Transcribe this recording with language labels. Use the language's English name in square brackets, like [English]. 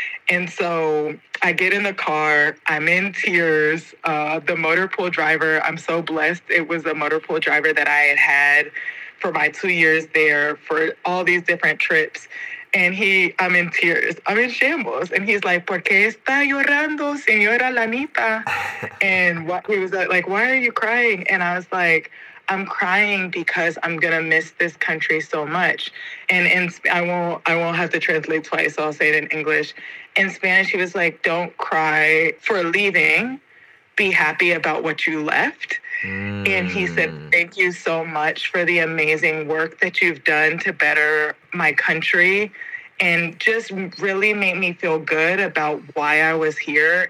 [English] And so I get in the car, I'm in tears. The motor pool driver, I'm so blessed. It was a motor pool driver that I had had for my 2 years there for all these different trips. And I'm in tears, I'm in shambles. And he's like, [Spanish] ¿Por qué está llorando, señora Lanita? [English] And he was like, why are you crying? And I was like, I'm crying because I'm going to miss this country so much. And I won't have to translate twice, so I'll say it in English. In Spanish, he was like, don't cry for leaving. Be happy about what you left. And he said, thank you so much for the amazing work that you've done to better my country, and just really made me feel good about why I was here.